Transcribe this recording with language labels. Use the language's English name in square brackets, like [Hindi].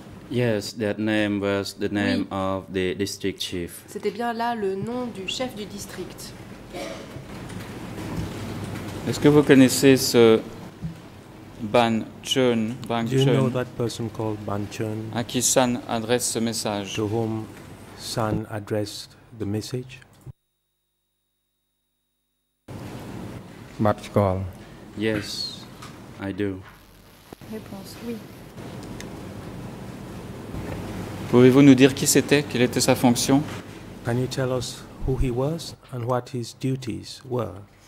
[English] Yes, that name was the name of the district chief. [French] C'était bien là le nom du chef du district. Est-ce que vous connaissez ce Ban Chun? Ban [English] Do you Chun, know that person called Ban Chun? [French] À qui San adresse ce message? [English] To whom San addressed the message? Bat call. Yes, I do. [French] Réponse, oui. Pouvez-vous nous dire qui c'était, quelle était sa fonction? [English] Can you tell us who he was and what his duties were?